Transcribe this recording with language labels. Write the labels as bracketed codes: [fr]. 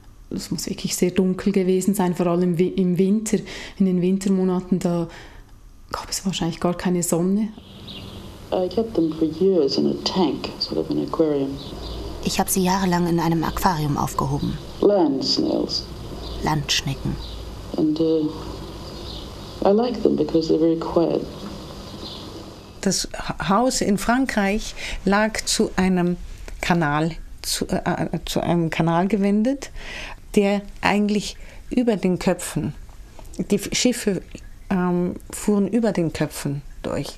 [de] Es muss wirklich sehr dunkel gewesen sein, vor allem im Winter. In den Wintermonaten, da gab es wahrscheinlich gar keine Sonne. [en] I kept them for years in a tank, sort of an aquarium. [de] Ich habe sie jahrelang in einem Aquarium aufgehoben. [en] Land snails. [de] Landschnecken. [en] And I like them because they're very quiet. [de] Das Haus in Frankreich lag zu einem Kanal, zu einem Kanal gewendet, der eigentlich über den Köpfen, die Schiffe fuhren über den Köpfen durch.